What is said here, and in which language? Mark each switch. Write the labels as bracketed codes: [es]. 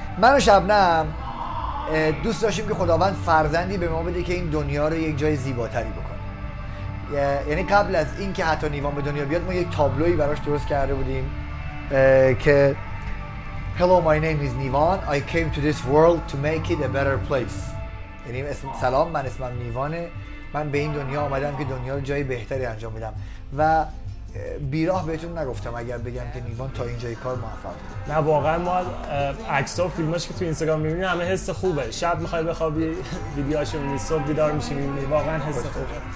[fa] من و شبنم دوست داشتیم که خداوند فرزندی به ما بده که این دنیا رو یک جای زیباتری بکنه. یعنی قبل از این که حتی نیوان به دنیا بیاد ما یک تابلویی براش درست کرده بودیم که [en] Hello, my name is Nivan. I came to this world to make it a better place. [fa] یعنی سلام، من اسمم نیوانه، من به این دنیا آمدم که دنیا رو جای بهتری انجام بدم. و بیراه بهتون نگفتم اگر بگم که نیوان تا اینجای کار موفق بود. نه واقعا ما عکس ها و فیلماش که تو اینستاگرام میبینیم همه حس خوبه. شب میخوای بخوابی ویدیوهاش رو میبینی، صبح بیدار میشی میبینی، واقعا حس خوبه.